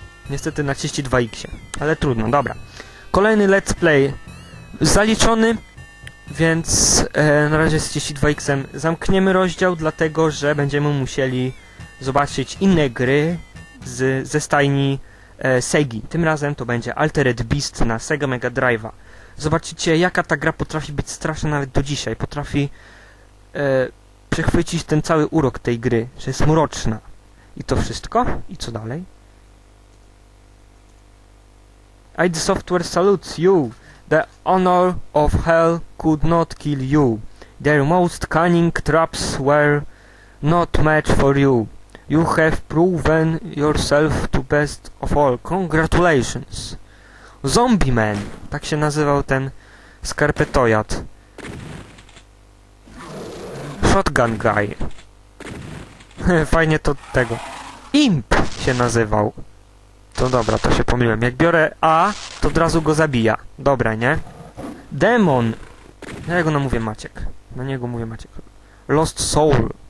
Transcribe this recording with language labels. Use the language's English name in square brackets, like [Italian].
[Polish] Niestety na 32X, ale trudno, dobra. Kolejny let's play zaliczony, więc na razie z 32X zamkniemy rozdział, dlatego że będziemy musieli zobaczyć inne gry ze stajni Segi. Tym razem to będzie Altered Beast na Sega Mega Drive'a. Zobaczycie, jaka ta gra potrafi być straszna nawet do dzisiaj. Potrafi przechwycić ten cały urok tej gry, że jest mroczna. I to wszystko? I co dalej? [English] ID Software salutes you. The honor of hell could not kill you. Their most cunning traps were not match for you. You have proven yourself to best of all. Congratulations. Zombie Man. [Polish] Tak się nazywał ten skarpetojad. [English] Shotgun guy. [Polish] Fajnie to tego. Imp się nazywał. To dobra, to się pomyliłem. Jak biorę A, to od razu go zabija. Dobra, nie? Demon. Na niego namówię Maciek. Na niego mówię Maciek. Lost Soul.